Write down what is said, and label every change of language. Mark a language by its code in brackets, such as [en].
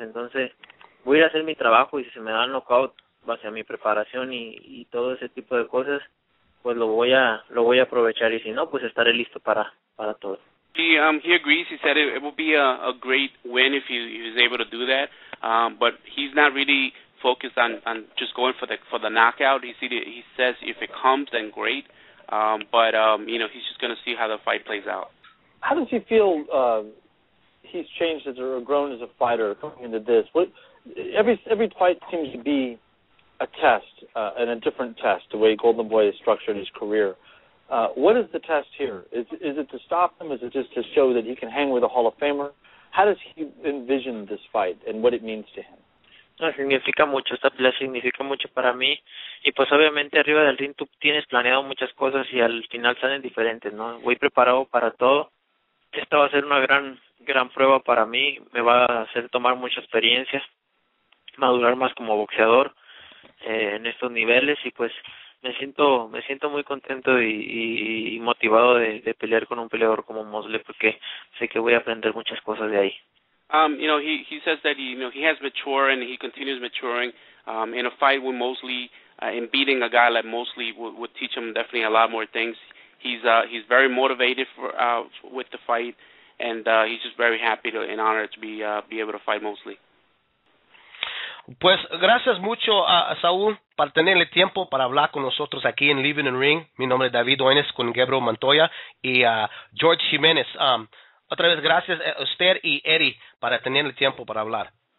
[es] Entonces, voy a hacer mi trabajo y si se me da el knockout, base a mi preparación y todo ese tipo de cosas, pues lo voy a aprovechar y si no, pues estaré listo para todo. [en] He agrees, he said it will be a great win if he is able to do that, but he's not really focused on just going for the knockout. He says if it comes, then great. You know, he's just going to see how the fight plays out. How does he feel he's changed as or grown as a fighter coming into this? Every fight seems to be a test and a different test, the way Golden Boy has structured his career. What is the test here? Is it to stop him? Is it just to show that he can hang with a Hall of Famer? How does he envision this fight and what it means to him? [es] No, significa mucho, esta pelea significa mucho para mí, y pues obviamente arriba del ring tú tienes planeado muchas cosas y al final salen diferentes, ¿no? Voy preparado para todo, esta va a ser una gran, gran prueba para mí, me va a hacer tomar mucha experiencia, madurar más como boxeador en estos niveles, y pues me siento muy contento y motivado de pelear con un peleador como Mosley, porque sé que voy a aprender muchas cosas de ahí. [en] You know, he says that, you know, he has matured and he continues maturing. In a fight with Mosley, in beating a guy like Mosley would teach him definitely a lot more things. He's very motivated with the fight, and he's just very happy and honored to be able to fight Mosley. [es] Pues gracias mucho a Saúl para tenerle tiempo para hablar con nosotros aquí en Living in Ring. Mi nombre es David Oines con Gabriel Montoya y George Jiménez. Otra vez, gracias a usted y Eddie para tener el tiempo para hablar.